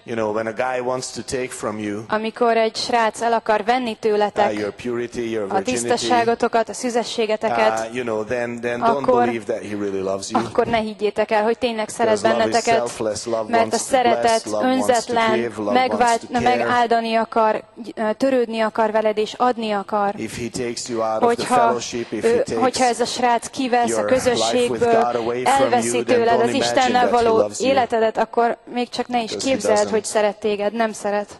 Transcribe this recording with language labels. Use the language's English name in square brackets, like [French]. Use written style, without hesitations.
[English] you know, when a guy wants to take from you, [Hungarian] amikor egy srác el akar venni tőletek [English] your purity, your [Hungarian] a tisztaságotokat, a szüzességeteket, [English] you know, then akkor, don't believe that he really loves you. [Hungarian] Akkor ne higgyétek el, hogy tényleg szeret benneteket, mert a szeretet önzetlen, megáldani akar, törődni akar veled és adni akar. [English] If he takes you out of the fellowship, if he takes [Hungarian] hogyha ez a srác kivesz a közösségből, elveszi tőled az Istennel való életedet, akkor még csak ne is képzeld, hogy szeret téged, nem szeret.